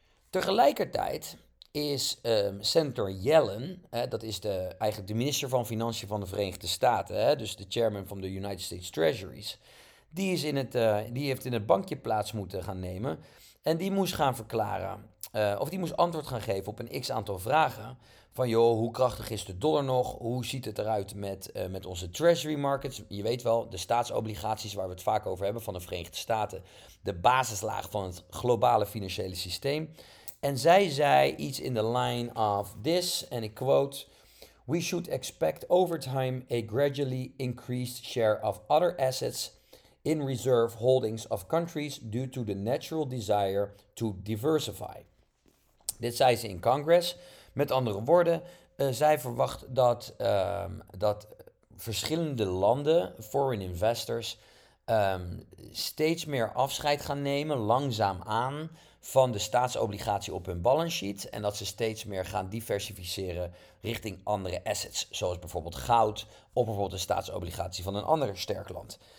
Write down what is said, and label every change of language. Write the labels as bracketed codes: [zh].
[nl] Tegelijkertijd is Senator Yellen, dat is eigenlijk de minister van Financiën van de Verenigde Staten, dus de chairman van de United States Treasuries, die heeft in het bankje plaats moeten gaan nemen en die moest gaan verklaren, of die moest antwoord gaan geven op een x-aantal vragen van joh, hoe krachtig is de dollar nog, hoe ziet het eruit met onze treasury markets, je weet wel, de staatsobligaties waar we het vaak over hebben van de Verenigde Staten, de basislaag van het globale financiële systeem. En zij zei iets [en] in the line of this, [nl] en ik quote, [en] we should expect over time a gradually increased share of other assets in reserve holdings of countries due to the natural desire to diversify. [nl] Dit zei ze in Congress. Met andere woorden, zij verwacht dat verschillende landen, [en] foreign investors, [nl] steeds meer afscheid gaan nemen, langzaam aan, van de staatsobligatie op hun [en] balance sheet [nl] en dat ze steeds meer gaan diversificeren richting andere assets, zoals bijvoorbeeld goud of bijvoorbeeld de staatsobligatie van een ander sterk land.